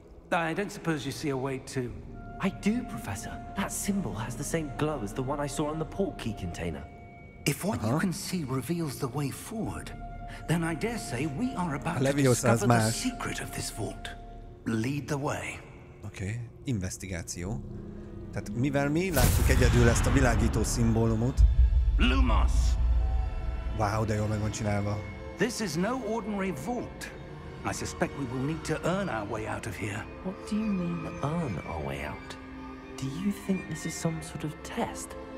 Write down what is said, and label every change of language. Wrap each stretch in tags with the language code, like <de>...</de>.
<en>I don't suppose you see a way to... I do, Professor. That symbol has the same glow as the one I saw on the port key container. If what you can see reveals the way forward, then I dare say we are about to discover the secret of this vault. Lead the way.</en> <hu>Okay, investigáció. Tehát mivel mi látjuk egyedül ezt a világító szimbólumot. Lumos. Wow, de jól meg van csinálva.</hu> <en>This is no ordinary vault. I suspect we will need to earn our way out of here. What do you mean earn our way out? Do you think this is some sort of test?</en>